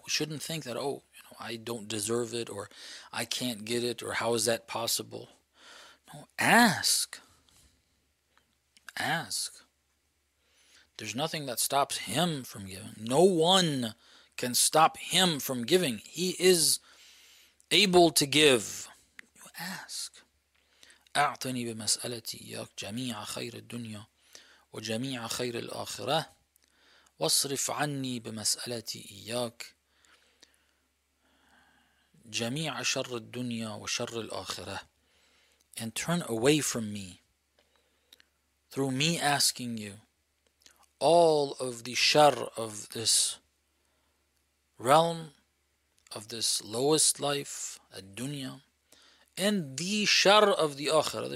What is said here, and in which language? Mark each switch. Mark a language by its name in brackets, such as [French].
[English] We shouldn't think that, oh, you know, I don't deserve it, or I can't get it, or how is that possible? No, ask. Ask. There's nothing that stops him from giving. No one can stop him from giving. He is able to give. You ask. [Arabic] أعطني بمسألتي إياك جميع خير الدنيا وجميع خير الآخرة واصرف عني بمسألتي إياك جميع شر الدنيا وشر الآخرة. [English] And turn away from me, through me asking you, all of the shar of this realm, of this lowest life, ad-dunya, and the shar of the akhirah.